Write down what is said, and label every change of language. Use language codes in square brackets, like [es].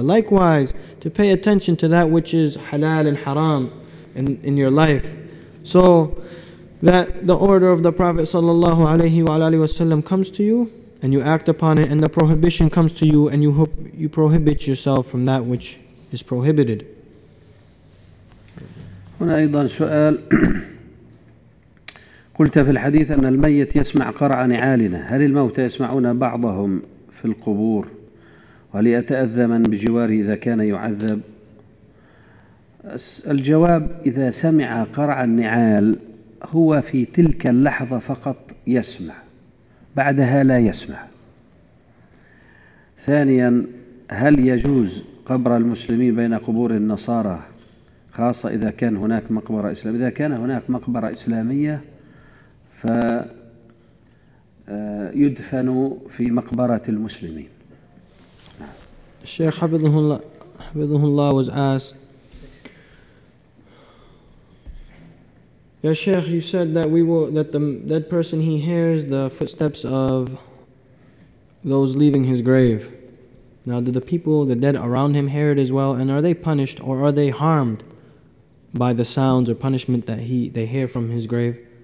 [en] Likewise, to pay attention to that which is halal and haram in your life, so that the order of the Prophet sallallahu alaihi wa alihi wasallam comes to you and you act upon it, and the prohibition comes to you and you prohibit yourself from that which is prohibited. [ar] هنا ايضا سؤال: قلت في الحديث ان الميت يسمع قرع نعالنا، هل الموتى يسمعون بعضهم في القبور؟ وهل يتأذى من بجواره اذا كان يعذب؟ الجواب: إذا سمع قرع النعال هو في تلك اللحظة فقط يسمع، بعدها لا يسمع. ثانيا، هل يجوز قبر المسلمين بين قبور النصارى خاصة إذا كان هناك مقبرة إسلامية؟ إذا كان هناك مقبرة إسلامية فيدفن في مقبرة المسلمين. الشيخ حفظه الله [en] was asked, Ya Shaykh, you said that the dead person, he hears the footsteps of those leaving his grave. Now, do the people, the dead around him, hear it as well? And are they punished or are they harmed by the sounds or punishment that they hear from his grave?